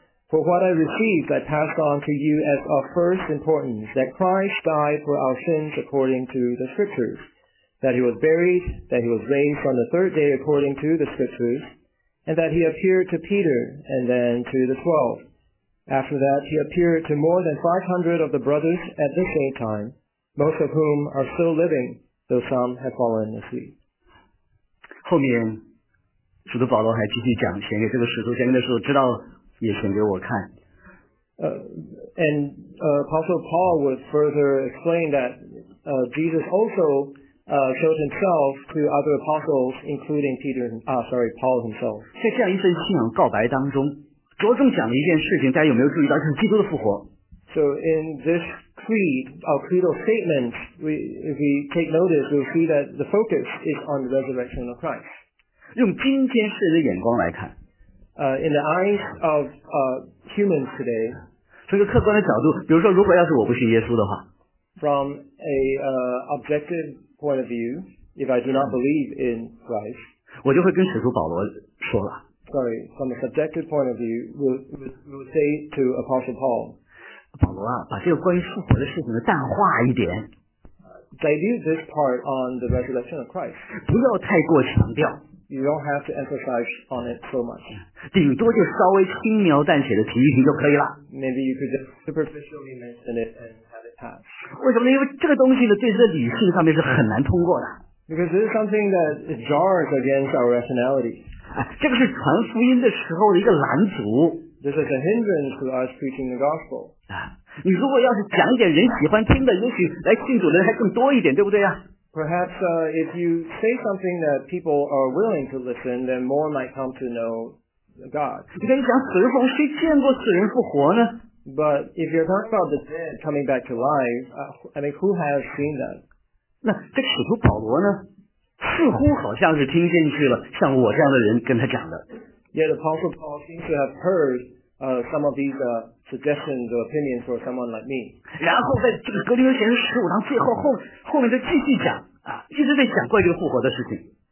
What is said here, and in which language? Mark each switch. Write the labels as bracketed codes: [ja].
[en] For what I received I passed on to you as of first importance, that Christ died for our sins according to the Scriptures, that he was buried, that he was raised on the third day according to the Scriptures,and that he appeared to Peter, and then to the 12. After that, he appeared to more than 500 of the brothers at the same time, most of whom are still living, though some have fallen asleep. [zh] 后面使徒保罗还继续讲，显给这个使徒，显给的时候知道也显给我看。 [en] Apostle Paul would further explain that Jesus also showed himself to other apostles, including Paul himself. [zh] 在这样一份信仰告白当中，着重讲了一件事情，大家有没有注意到？就是基督的复活。 [en] So in this creed, our creedal statement, if we take notice, we'll see that the focus is on the resurrection of Christ. [zh] 用今天世人的眼光来看 [en] ，in the eyes of humans today, [zh] 从一个客观的角度，比如说，如果要是我不信耶稣的话 [en] ，from a objective point of view, if I do not believe in Christ, [zh] 我就会跟使徒保罗说了。 [en] Sorry, from a subjective point of view, we'll say to Apostle Paul, [zh] 保罗啊，把这个关于复活的事情淡化一点。 [en] Dilute this part on the resurrection of Christ. [zh] 不要太过强调。 [en] You don't have to emphasize on it so much. [zh] 顶多就稍微轻描淡写的提一提就可以了。 [en] Maybe you could just superficially mention it and have it pass. [zh] 为什么呢？因为这个东西呢，对这理性上面是很难通过的。 [en] Because this is something that jars against our rationality. [zh] 这个是传福音的时候的一个拦阻。 [en] This is a hindrance to us preaching the gospel. [zh] 你如果要是讲点人喜欢听的，也许来信主的人还更多一点，对不对啊？ [en] Perhaps if you say something that people are willing to listen, then more might come to know God. [zh] 你跟你讲死人复活，谁见过死人复活呢？ [en] But if you're talking about the dead coming back to life, who has seen that? [zh] 那这使徒保罗呢，似乎好像是听进去了，像我这样的人跟他讲的。 [en] Yet Apostle Paul seems to have heard some of these suggestions or opinions for someone like me. [zh] 然后在这个格林多前书十五章最后后面再继续讲啊，一直在讲关于复活的事情。